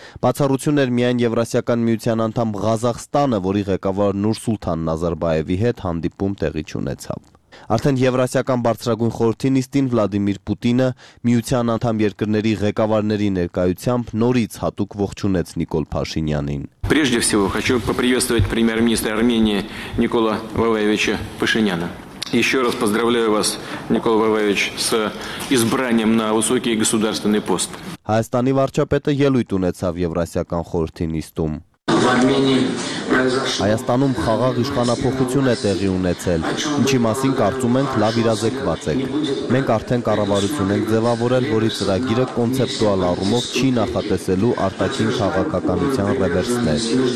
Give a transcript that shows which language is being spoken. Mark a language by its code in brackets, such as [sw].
[hy] Բացառություն էր միայն Եվրասիական միության անդամ Ղազախստանը, որի ղեկավար Նուրսուլթան Նազարբայևի հետ հանդիպում տեղի չունեցավ։ Արդեն Եվրասիական բարձրագույն խորհրդի նիստին Վլադիմիր Պուտինը միության անդամ երկրների ղեկավարների ներկայությամբ նորից հատուկ ողջունեց Նիկոլ Փաշինյանին։ [ru] Прежде всего хочу поприветствовать премьер-министра Армении Никола Валерьевича Пашиняна. Еще раз поздравляю вас, Никол Валерьевич, с избранием на высокий государственный пост. [hy] Հայաստանի վարչապետը ելույթ ունեցավ Եվրասիական խորհրդի նիստում։ Հայաստանում խաղաղ իշխանապողություն է տեղի ունեցել, ինչի մասին կարծում ենք լավ իրազեկված եք։ Մենք արդեն կառավարություն ենք ձևավորել, որի ծրագիրը կոնցեպտուալ առումով չի նախատեսելու արտաքին քաղաքականության ռևերսներ։